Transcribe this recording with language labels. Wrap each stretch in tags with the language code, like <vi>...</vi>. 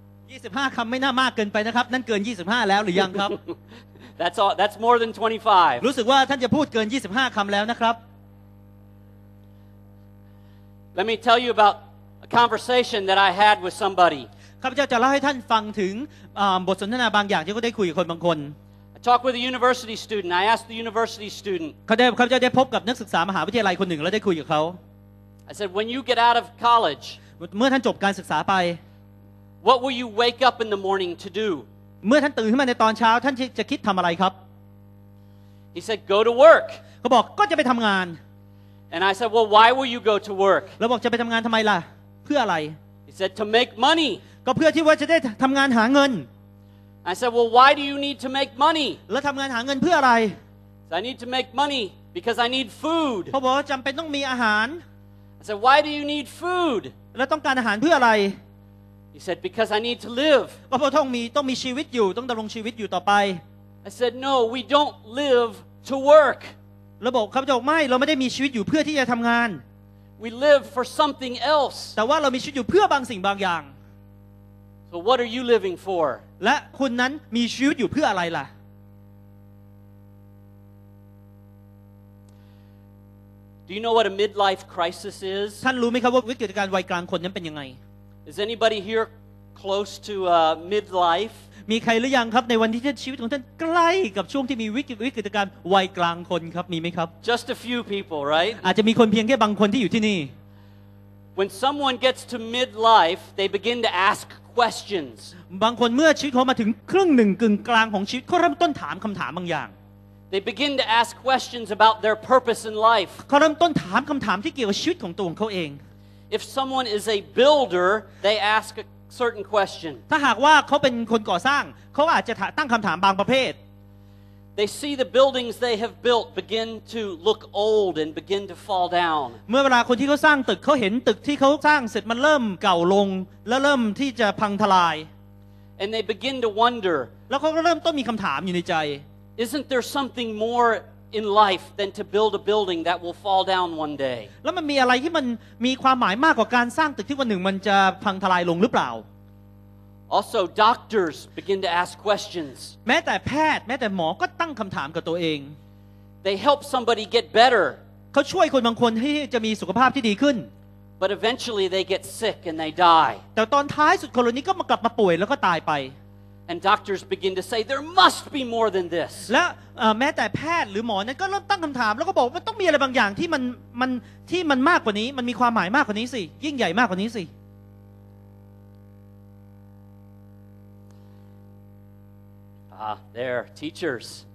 <th>25คำไม่น่ามากเกินไปนะครับนั่นเกิน25แล้วหรือยังครับ</th> <en>That's all. That's more than 25.</en> <th>รู้สึกว่าท่านจะพูดเกิน25คำแล้วนะครับ</th> <en>Let me tell you about a conversation that I had with somebody.</en> <th>ข้าพเจ้าจะเล่าให้ท่านฟังถึงบทสนทนาบางอย่างที่เขาได้คุยกับคนบางคน</th> <en>I talked with a university student. I asked the university student.</en> <th>ข้าพเจ้าได้พบกับนักศึกษามหาวิทยาลัยคนหนึ่งแล้วได้คุยกับเขา</th> <en>I said, when you get out of college,</en> <th>เมื่อท่านจบการศึกษาไป</th> <en>what will you wake up in the morning to do?</en> <th>เมื่อท่านตื่นขึ้นมาในตอนเช้าท่านจะคิดทำอะไรครับ</th> <en>He said, go to work.</en> <th>เขาบอกก็จะไปทำงาน</th> <en>And I said, "Well, why will you go to work?"</en> <th>แล้วบอกจะไปทำงานทำไมล่ะเพื่ออะไร</th> <en>He said, "To make money."</en> <th>ก็เพื่อที่ว่าจะได้ทำงานหาเงิน</th> <en>I said, "Well, why do you need to make money?"</en> <th>แล้วทำงานหาเงินเพื่ออะไร</th> <en>So I need to make money because I need food.</en> <th>เขาบอกจำเป็นต้องมีอาหาร</th> <en>I said, "Why do you need food?"</en> <th>แล้วต้องการอาหารเพื่ออะไร</th> <en>He said, "Because I need to live."</en> <th>เพราะต้องมีชีวิตอยู่ต้องดำรงชีวิตอยู่ต่อไป</th> <en>I said, "No, we don't live to work."</en> <th>ระบบข้าพเจ้าไม่เราไม่ได้มีชีวิตอยู่เพื่อที่จะทำงาน</th> <en>We live for something else</en> <th>แต่ว่าเรามีชีวิตอยู่เพื่อบางสิ่งบางอย่าง</th> <en>So what are you living for</en> <th>และคุณนั้นมีชีวิตอยู่เพื่ออะไรล่ะ</th> <en>Do you know what a midlife crisis is</en> <th>ท่านรู้ไหมครับว่าวิกฤตการณ์วัยกลางคนนั้นเป็นยังไง</th> <en>Is anybody here close to a midlife</en> <th>มีใครหรือยังครับในวันที่ชีวิตของท่านใกล้กับช่วงที่มีวิกฤตการณ์วัยกลางคนครับมีไหมครับ</th> <en>Just a few people, right?</en> <th>อาจจะมีคนเพียงแค่บางคนที่อยู่ที่นี่</th> <en>When someone gets to midlife, they begin to ask questions.</en> <th>บางคนเมื่อชีวิตเขามาถึงครึ่งหนึ่งกึ่งกลางของชีวิตเขาเริ่มต้นถามคำถามบางอย่าง</th> <en>They begin to ask questions about their purpose in life.</en> <th>เขาเริ่มต้นถามคำถามที่เกี่ยวกับชีวิตของตัวเขาเอง</th> <en>If someone is a builder, they ask aCertain question.</en> <th>ถ้าหากว่าเขาเป็นคนก่อสร้างเขาอาจจะตั้งคำถามบางประเภท</th> <en>They see the buildings they have built begin to look old and begin to fall down.</en> <th>เมื่อเวลาคนที่เขาสร้างตึกเขาเห็นตึกที่เขาสร้างเสร็จมันเริ่มเก่าลงและเริ่มที่จะพังทลาย</th> <en>And they begin to wonder.</en> <th>แล้วเขาก็เริ่มต้นมีคำถามอยู่ในใจ</th> <en>Isn't there something more in life than to build a building that will fall down one day?</en> <th>แล้วมันมีอะไรที่มันมีความหมายมากกว่าการสร้างตึกที่วันหนึ่งมันจะพังทลายลงหรือเปล่า</th> <en>Also, doctors begin to ask questions.</en> <th>แม้แต่แพทย์แม้แต่หมอก็ตั้งคำถามกับตัวเอง</th> <en>They help somebody get better.</en> <th>เขาช่วยคนบางคนให้จะมีสุขภาพที่ดีขึ้น</th> <en>But eventually they get sick and they die.</en> <th>แต่ตอนท้ายสุดคนนี้ก็มากลับมาป่วยแล้วก็ตายไป</th> <en>And doctors begin to say there must be more than this.</en> <th>และแม้แต่แพทย์หรือหมอนั้นก็เริ่มตั้งคำถามแล้วก็บอกว่าต้องมีอะไรบางอย่างที่มันมากกว่านี้มันมีความหมายมากกว่านี้สิยิ่งใหญ่มากกว่านี้สิ</th> <en>there teachers.</en>